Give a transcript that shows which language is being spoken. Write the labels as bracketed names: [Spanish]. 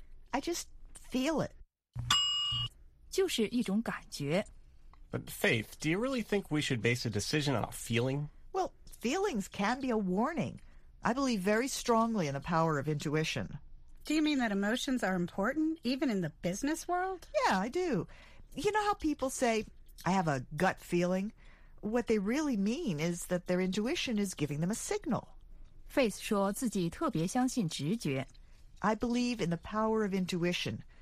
[English] I just feel it. [Chinese] 就是一种感觉。 [English] But Faith, do you really think we should base a decision on a feeling? Well, feelings can be a warning. I believe very strongly in the power of intuition. Do you mean that emotions are important, even in the business world? Yeah, I do. You know how people say, I have a gut feeling? What they really mean is that their intuition is giving them a signal. [Chinese] Faith 说自己特别相信直觉。 [English] I believe in the power of intuition.